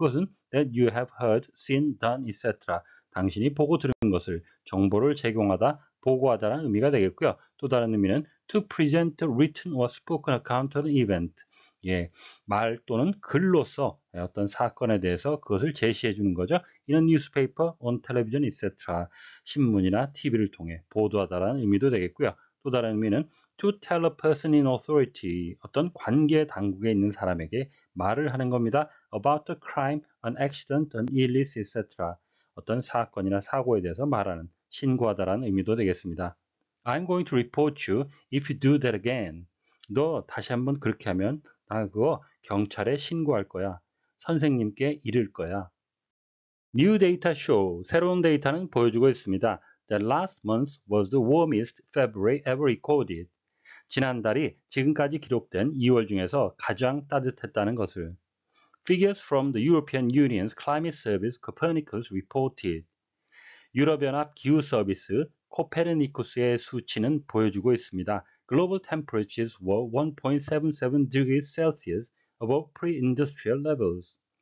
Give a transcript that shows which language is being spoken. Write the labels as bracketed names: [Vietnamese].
[Korean] 그것은 [English] that you have heard, seen, done, etc. [Korean] 당신이 보고 들은 것을, 정보를 제공하다, 보고하다라는 의미가 되겠고요. 또 다른 의미는 [English] to present a written or spoken account of an event. [Korean] 예, 말 또는 글로서 어떤 사건에 대해서 그것을 제시해 주는 거죠. [English] In a newspaper, on television, etc. [Korean] 신문이나 TV를 통해 보도하다라는 의미도 되겠고요. 또 다른 의미는 [English] to tell a person in authority, [Korean] 어떤 관계 당국에 있는 사람에게 말을 하는 겁니다. [English] About a crime, an accident, an illness, etc. [Korean] 어떤 사건이나 사고에 대해서 말하는, 신고하다라는 의미도 되겠습니다. [English] I'm going to report you if you do that again. [Korean] 너 다시 한번 그렇게 하면 나 그거 경찰에 신고할 거야. 선생님께 이를 거야. [English] New data show, [Korean] 새로운 데이터는 보여주고 있습니다. [English] That last month was the warmest February ever recorded. [Korean] 지난달이 지금까지 기록된 2월 중에서 가장 따뜻했다는 것을. [English] Figures from the European Union's Climate Service Copernicus reported. [Korean] 유럽연합 기후서비스 코페르니쿠스의 수치는 보여주고 있습니다. [English] Global temperatures were 1.77 degrees Celsius above pre-industrial levels.